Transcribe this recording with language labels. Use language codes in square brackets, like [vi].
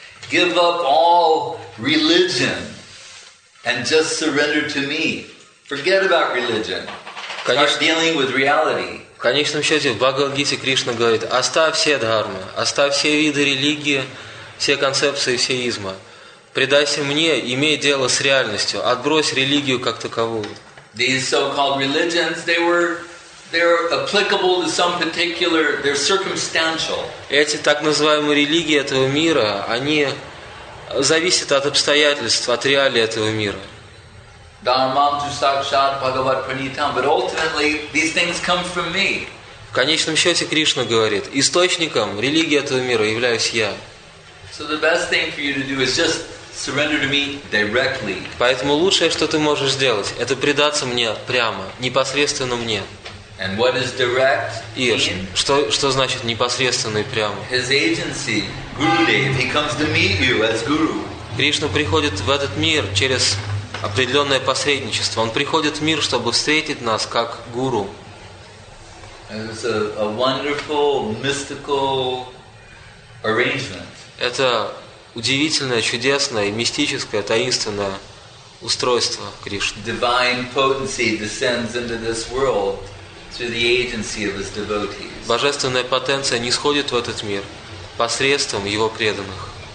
[en] give up all religion and just surrender to me. Forget about religion. Start dealing with reality. [ru] В конечном счете, в Бхагавад-гите Кришна говорит: оставь все дхармы, оставь все виды религии, все концепции сеизма. Предайся мне, имей дело с реальностью, отбрось религию как таковую. [en] These so-called religions, they're applicable to some particular, they're circumstantial. [ru] Эти так называемые религии этого мира, они зависят от обстоятельств, от реалий этого мира. [sa] Dharmam tu sakshat bhagavat pranitam. [en] But ultimately, these things come from me. [ru] В конечном счете, Кришна говорит, источником религии этого мира являюсь я. [en] So the best thing for you to do is just surrender to me directly. [ru] Поэтому лучшее, что ты можешь сделать, это предаться мне прямо, непосредственно мне. [en] And what is direct? [ru] Что значит непосредственный прямо? [en] His agency, Gurudev, he comes to meet you as guru. [ru] Кришна приходит в этот мир через определенное посредничество. Он приходит в мир, чтобы встретить нас как гуру. [en] It's a wonderful mystical arrangement. [ru] Это удивительное, чудесное, мистическое, таинственное устройство Кришны. [en] Divine potency descends into this world through the agency of his devotees. [ru] Божественная потенция нисходит в этот мир посредством его преданных.